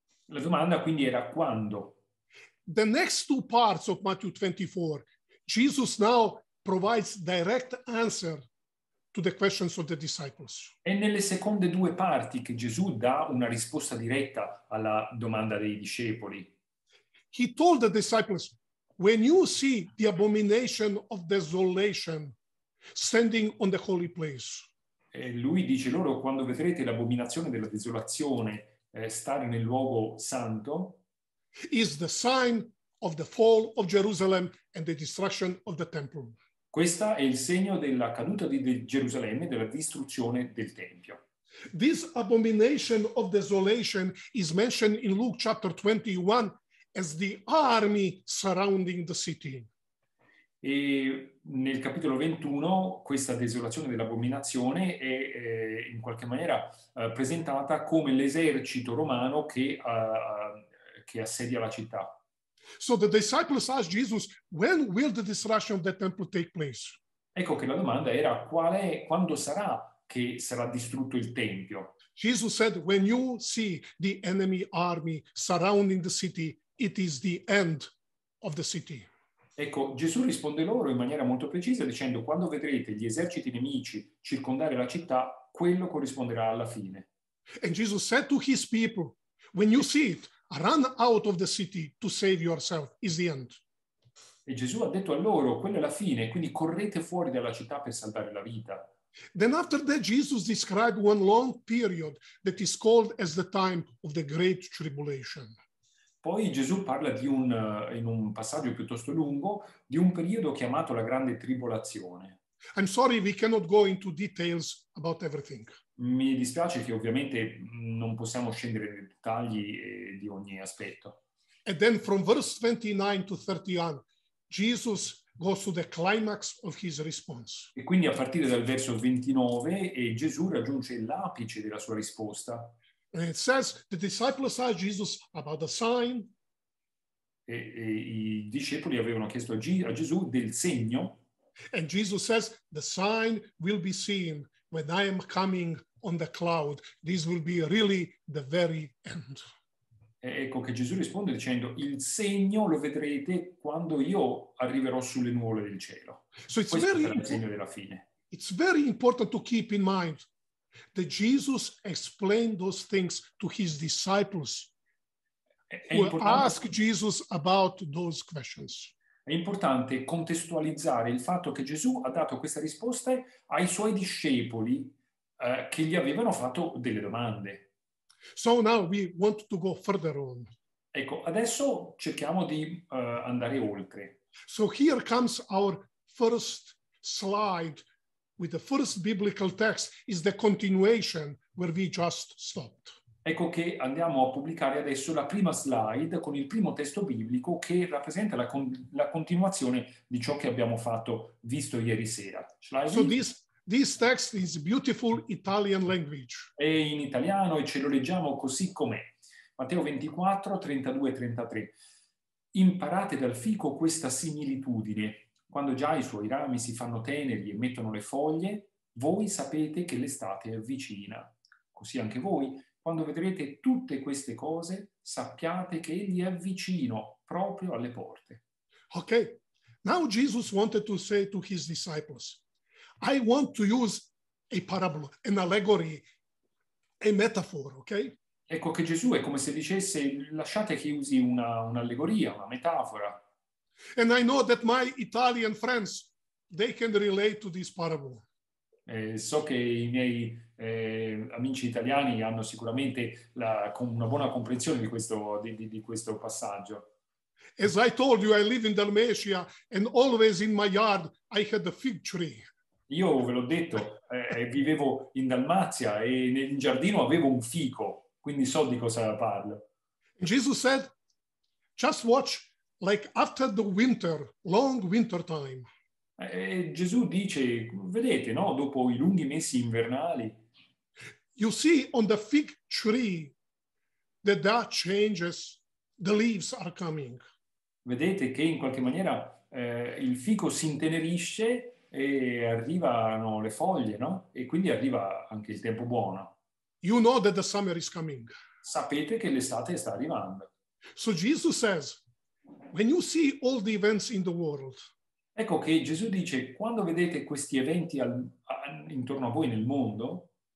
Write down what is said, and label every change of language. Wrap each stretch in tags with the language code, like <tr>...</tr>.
<it>La domanda quindi era quando?</it> <en>The next two parts of Matthew 24, Jesus now provides direct answer to the questions of the disciples.</en> <it>È nelle seconde due parti che Gesù dà una risposta diretta alla domanda dei discepoli.</it> <en>He told the disciples, when you see the abomination of desolation standing on the holy place.</en> <it>E lui dice loro, quando vedrete l'abominazione della desolazione stare nel luogo santo,</it> <en>is the sign of the fall of Jerusalem and the destruction of the temple.</en> <it>Questa è il segno della caduta di Gerusalemme e della distruzione del Tempio.</it> <en>This abomination of desolation is mentioned in Luke chapter 21 as the army surrounding the city.</en> <it>E nel capitolo 21 questa desolazione dell'abominazione è in qualche maniera presentata come l'esercito romano che assedia la città.</it> <en>So the disciples asked Jesus, when will the destruction of the temple take place?</en> <it>Ecco che la domanda era, qual è, quando sarà che sarà distrutto il Tempio?</it> <en>Jesus said, when you see the enemy army surrounding the city, it is the end of the city.</en> <it>Ecco, Gesù risponde loro in maniera molto precisa dicendo, quando vedrete gli eserciti nemici circondare la città, quello corrisponderà alla fine.</it> <en>And Jesus said to his people, when you see it, run out of the city to save yourself, is the end.</en> <it>E Gesù ha detto a loro, quella è la fine, quindi correte fuori dalla città per salvare la vita.</it> <en>Then after that Jesus described one long period that is called as the time of the great tribulation.</en> <it>Poi Gesù parla di in un passaggio piuttosto lungo, di un periodo chiamato la grande tribolazione.</it> <en>I'm sorry, we cannot go into details about everything.</en> <it>Mi dispiace che ovviamente non possiamo scendere nei dettagli di ogni aspetto.</it> <en>And then from verse 29 to 31, Jesus goes to the climax of his response.</en> <it>E quindi a partire dal verso 29, Gesù raggiunge l'apice della sua risposta.</it> <en>And it says the disciples asked Jesus about the sign.</en> <it>E i discepoli avevano chiesto a Gesù del segno.</it> <en>And Jesus says the sign will be seen when I am coming on the cloud. This will be really the very end.</en> <it>E ecco che Gesù risponde dicendo il segno lo vedrete quando io arriverò sulle nuvole del cielo.</it> <en>So it's</en> <it>questo</it> <en>very</en> <it>sarà il segno della fine.</it> <en>It's very important to keep in mind that Jesus explained those things to his disciples who asked Jesus about those questions.</en> <it>È importante contestualizzare il fatto che Gesù ha dato queste risposte ai suoi discepoli che gli avevano fatto delle domande.</it> <en>So now we want to go further on.</en> <it>Ecco, adesso cerchiamo di andare oltre.</it> <en>So here comes our first slide. With the first biblical text is the continuation where we just stopped.</en> <it>Ecco che andiamo a pubblicare adesso la prima slide con il primo testo biblico che rappresenta la continuazione di ciò che abbiamo fatto visto ieri sera.</it> <en>So this text is beautiful Italian language.</en> <it>È in italiano e ce lo leggiamo così com'è. Matteo 24, 32 e 33. Imparate dal fico questa similitudine. Quando già i suoi rami si fanno teneri e mettono le foglie, voi sapete che l'estate è vicina. Così anche voi, quando vedrete tutte queste cose, sappiate che egli è vicino, proprio alle porte.</it> <en>Ok, now Jesus wanted to say to his disciples, I want to use a parable, an allegory, a metaphor, ok?</en> <it>Ecco che Gesù è come se dicesse, lasciate che usi un'allegoria, una metafora.</it> <en>And I know that my Italian friends, they can relate to this parable.</en> <it>So che i miei amici italiani hanno sicuramente una buona comprensione di questo passaggio.</it> <en>As I told you, I live in Dalmatia and always in my yard I had a fig tree.</en> <it>Io ve l'ho detto, vivevo in Dalmazia e nel giardino avevo un fico, quindi so di cosa parlo.</it> <en>Jesus said, just watch. Like after the winter, long winter time.</en> <it>Gesù dice, vedete, no? Dopo i lunghi mesi invernali.</it> <en>You see on the fig tree that that changes, the leaves are coming.</en> <it>Vedete che in qualche maniera il fico si intenerisce e arrivano le foglie, no? E quindi arriva anche il tempo buono.</it> <en>You know that the summer is coming.</en> <it>Sapete che l'estate sta arrivando.</it> <en>So Jesus says, when you see all the events in the world,</en> <it>Ecco che Gesù dice, quando vedete questi eventi intorno a voi nel mondo,</it>